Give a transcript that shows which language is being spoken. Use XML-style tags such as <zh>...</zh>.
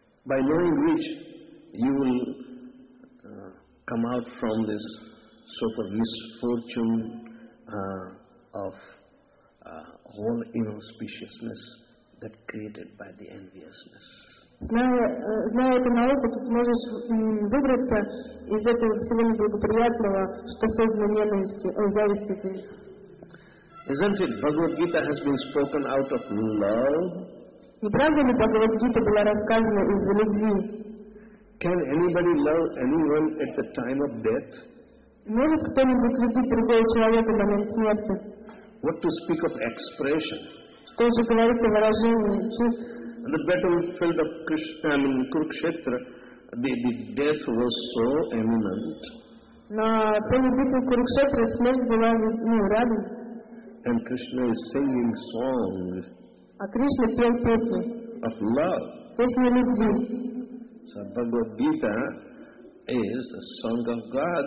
<en>By knowing which you will come out from this super misfortune of all inauspiciousness that created by the enviousness.</en> <ru>Зная эту науку, ты сможешь выбраться из этого всего неблагоприятного, что создано ненавистью, завистью.</ru> <en>Isn't it? Bhagavad Gita has been spoken out of love.</en> <ru>Не правда ли, Бхагавад Гита была рассказана из любви?</ru> <en>Can anybody love anyone at the time of death?</en> <ru>Может кто-нибудь любить другого человека в момент смерти?</ru> <en>What to speak of expression?</en> <ru>Что же говорить о выражении чувств?</ru> <en>The battlefield of Krishna, Kurukshetra, the death was so imminent.</en> <ru>На поле битвы Курукшетра смерть была радостной.</ru> <en>And Krishna is singing songs.</en> <ru>А Кришна пел песни.</ru> <en>Of love.</en> <ru>Песни любви.</ru> <en>So Bhagavad Gita is a song of God.</en>